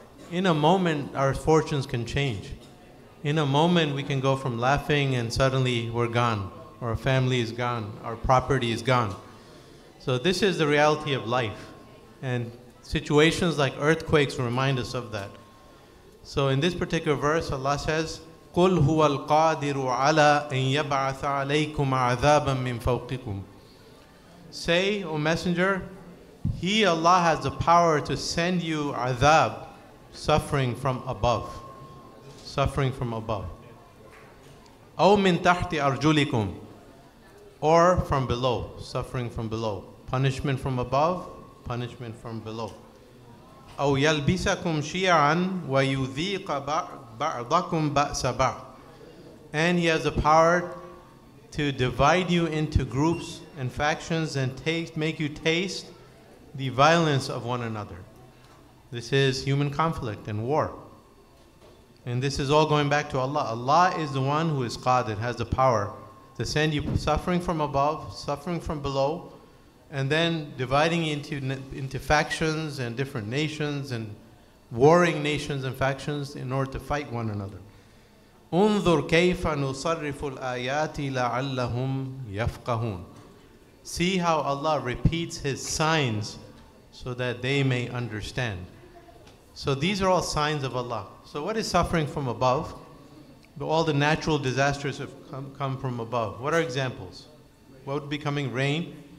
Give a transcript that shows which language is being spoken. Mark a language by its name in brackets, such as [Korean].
[English] In a moment, our fortunes can change. In a moment, we can go from laughing and suddenly we're gone. Our family is gone. Our property is gone. So this is the reality of life. And situations like earthquakes remind us of that. So in this particular verse, Allah says, [Arabic] قُلْ هُوَ الْقَادِرُ عَلَىٰ أَنْ يَبْعَثَ عَلَيْكُمْ عَذَابًا مِّنْ فَوْقِكُمْ. [English] Say, O Messenger, He, Allah, has the power to send you azab, suffering from above. Suffering from above. [Arabic] أَوْ مِنْ تَحْتِ أَرْجُلِكُمْ. [English] Or from below, suffering from below. Punishment from above, punishment from below. [Arabic] أَوْ يَلْبِسَكُمْ شِيَعًا وَيُذِيقَ بَعْضَكُمْ بَأْسَ بَعْضٍ. [English] And He has the power to divide you into groups and factions and make you taste the violence of one another. This is human conflict and war. And this is all going back to Allah. Allah is the one who is Qadir, has the power to send you suffering from above, suffering from below, and then dividing you into factions and different nations and warring nations and factions in order to fight one another. [Arabic] انظر كيف نصرف الآيات لعلهم يفقهون. [English] See how Allah repeats His signs so that they may understand. So these are all signs of Allah. So what is suffering from above? All the natural disasters have come from above. What are examples? What would be coming? Rain?